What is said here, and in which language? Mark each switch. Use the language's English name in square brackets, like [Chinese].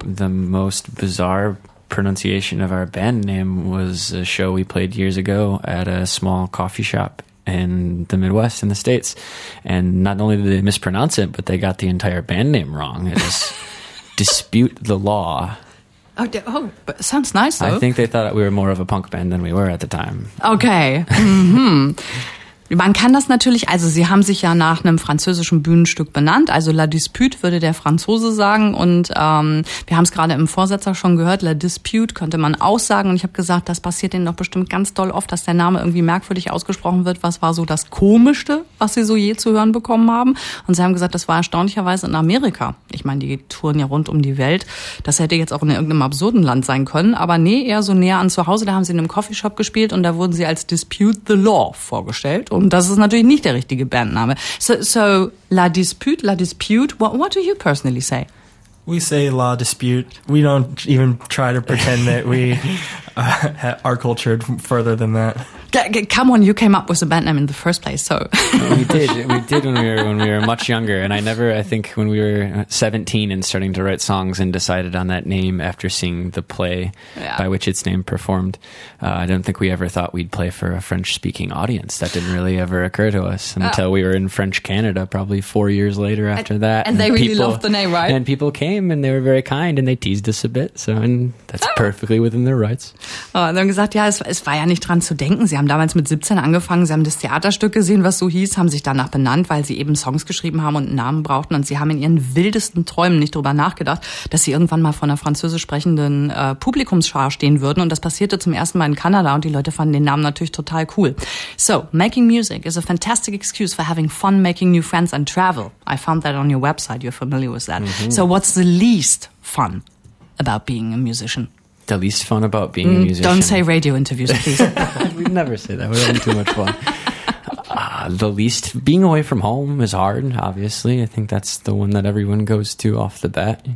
[English] The most bizarre pronunciation of our band name was a show we played years ago at a small coffee shop in the Midwest, in the States. And not only did they mispronounce it, but they got the entire band name wrong. It was Dispute the Law. But it sounds nice, though. I think they thought we were more of a punk band than we were at the time. Okay. Mm-hmm. [German] Man kann das natürlich, also sie haben sich ja nach einem französischen Bühnenstück benannt, also La Dispute würde der Franzose sagen und wir haben es gerade im Vorsatz auch schon gehört, La Dispute könnte man auch sagen und ich habe gesagt, das passiert denen doch bestimmt ganz doll oft, dass der Name irgendwie merkwürdig ausgesprochen wird. Was war so das Komischste, was sie so je zu hören bekommen haben? Und sie haben gesagt, das war erstaunlicherweise in Amerika. Ich meine, die touren ja rund um die Welt, das hätte jetzt auch in irgendeinem absurden Land sein können, aber nee, eher so näher an zu Hause, da haben sie in einem Coffeeshop gespielt und da wurden sie als Dispute the Law vorgestellt. Und das ist natürlich nicht der richtige Bandname. [English] So La Dispute, what do you personally say? We say La Dispute. We don't even try to pretend that we are cultured further than that. Come on, you came up with the band name in the first place, so. We did when we were much younger, and I never, I think when we were 17 and starting to write songs and decided on that name after seeing the play by which its name performed, I don't think we ever thought we'd play for a French-speaking audience. That didn't really ever occur to us until we were in French Canada probably 4 years later after that. And they really loved the name, right? And people came, and they were very kind, and they teased us a bit, so, and that's perfectly within their rights. [German] Oh, dann gesagt, ja, es war ja nicht dran zu denken. Sie haben damals mit 17 angefangen, sie haben das Theaterstück gesehen, was so hieß, haben sich danach benannt, weil sie eben Songs geschrieben haben und einen Namen brauchten und sie haben in ihren wildesten Träumen nicht darüber nachgedacht, dass sie irgendwann mal vor einer französisch sprechenden Publikumsschar stehen würden und das passierte zum ersten Mal in Kanada und die Leute fanden den Namen natürlich total cool. [English] So, making music is a fantastic excuse for having fun, making new friends and travel. I found that on your website, you're familiar with that. Mm-hmm. So what's the least fun about being a musician? The least fun about being a musician. Don't say radio interviews, please. We never say that. We're having too much fun. The least, being away from home is hard, obviously. I think that's the one that everyone goes to off the bat.